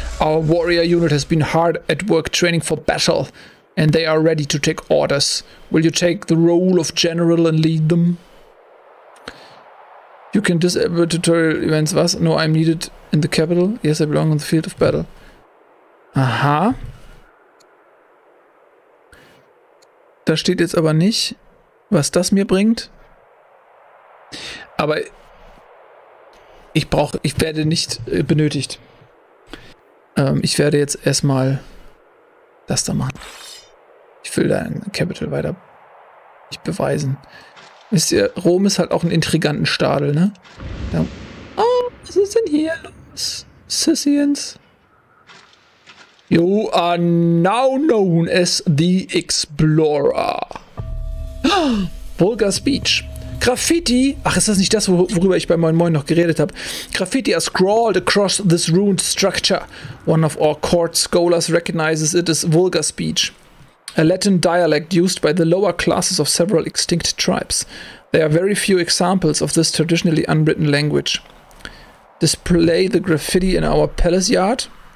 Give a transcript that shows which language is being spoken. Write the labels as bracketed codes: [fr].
[en] Our warrior unit has been hard at work training for battle and they are ready to take orders. Will you take the role of general and lead them? You can disable tutorial events. [de] Was? [en] No, I'm needed in the capital. Yes, I belong on the field of battle. Aha. [de] Da steht jetzt aber nicht, was das mir bringt. Aber ich werde nicht benötigt. Ich werde jetzt erstmal das da machen. Ich will da ein Capital weiter nicht beweisen. Wisst ihr, Rom ist halt auch ein intriganten Stadel, ne? Da, oh, was ist denn hier los? Sissians. [en] You are now known as the Explorer. Vulgar Speech. [de] Graffiti, ach, ist das nicht das, worüber ich bei Moin Moin noch geredet habe? [en] Graffiti has scrawled across this ruined structure. One of our court scholars recognizes it as vulgar speech. A Latin dialect used by the lower classes of several extinct tribes. There are very few examples of this traditionally unwritten language. Display the graffiti in our palace yard.